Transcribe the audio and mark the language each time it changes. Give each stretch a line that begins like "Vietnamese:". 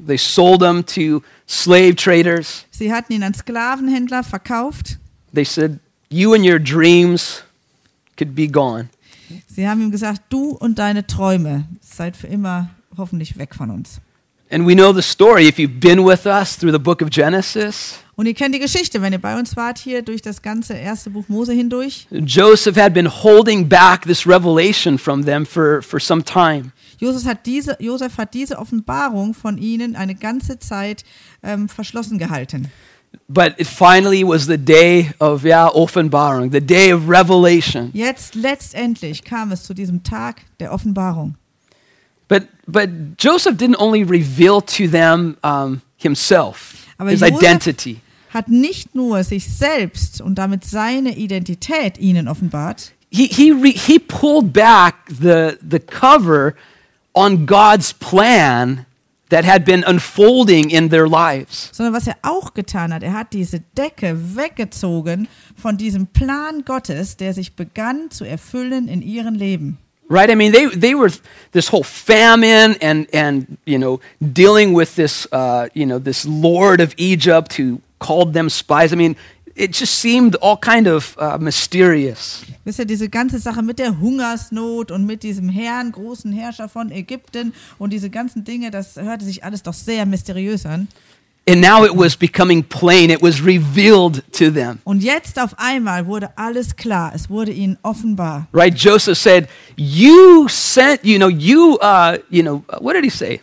English: They sold him to slave traders.
German: Sie hatten ihn an Sklavenhändler verkauft.
English: They said, "You and your dreams could be gone."
German: Sie haben ihm gesagt, du und deine Träume seid für immer hoffentlich weg von uns.
English: And we know the story if you've been with us through the book of Genesis.
German: Und ihr kennt die Geschichte, wenn ihr bei uns wart hier durch das ganze erste Buch Mose hindurch.
English: Joseph had been holding back this revelation from them for some time.
German: Joseph hat diese Offenbarung von ihnen eine ganze Zeit verschlossen gehalten.
English: But it finally was the day of Offenbarung, the day of revelation.
German: Jetzt letztendlich kam es zu diesem Tag der Offenbarung.
English: But Joseph didn't only reveal to them himself.
German: Aber
English: his identity.
German: Hat nicht nur sich selbst und damit seine Identität ihnen offenbart.
English: He pulled back the cover on God's plan that had been unfolding in their lives.
German: Sondern was er auch getan hat, er hat diese Decke weggezogen von diesem Plan Gottes, der sich begann zu erfüllen in ihren Leben.
English: Right, I mean, they were this whole famine and you know, dealing with this you know, this lord of Egypt who called them spies. I mean, it just seemed all kind of mysterious.
German: Wisst ihr, diese ganze Sache mit der Hungersnot und mit diesem Herrn, großen Herrscher von Ägypten und diese ganzen Dinge, das hörte sich alles doch sehr mysteriös an.
English: And now it was becoming plain, it was revealed to them.
German: Und jetzt auf einmal wurde alles klar, es wurde ihnen offenbar.
English: Right, Joseph said, you sent, you know, you, you know, what did he say?